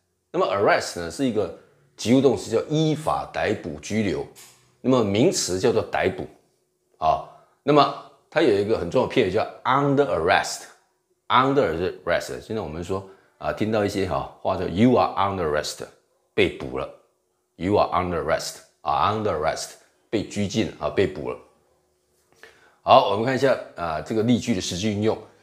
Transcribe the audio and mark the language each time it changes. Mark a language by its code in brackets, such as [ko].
[zh] 那么 arrest 呢是一个及物动词，叫依法逮捕、拘留。那么名词叫做逮捕。那么它有一个很重要的片语叫 under arrest。 under arrest， 现在我们说听到一些话叫 [en] you are under arrest， [zh] 被捕了。 [en] You are under arrest， under arrest， [zh] 被拘禁被捕了。好，我们看一下这个例句的实际运用。